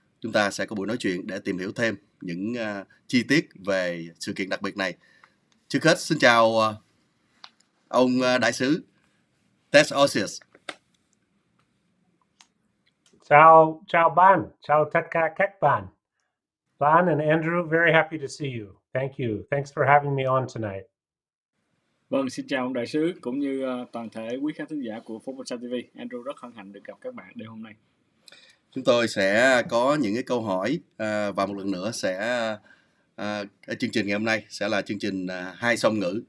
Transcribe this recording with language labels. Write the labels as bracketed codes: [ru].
[vi] Chúng ta sẽ có buổi nói chuyện để tìm hiểu thêm những chi tiết về sự kiện đặc biệt này. Trước hết, xin chào ông đại sứ Tess Osius. Chào bạn, chào tất cả các bạn. [en] Bạn and Andrew, very happy to see you. Thank you. Thanks for having me on tonight. [vi] Vâng, xin chào ông đại sứ cũng như toàn thể quý khán thính giả của Phố Bô Sa TV. Andrew rất hân hạnh được gặp các bạn đêm hôm nay. Chúng tôi sẽ có những cái câu hỏi và một lần nữa sẽ chương trình ngày hôm nay sẽ là chương trình hai song ngữ.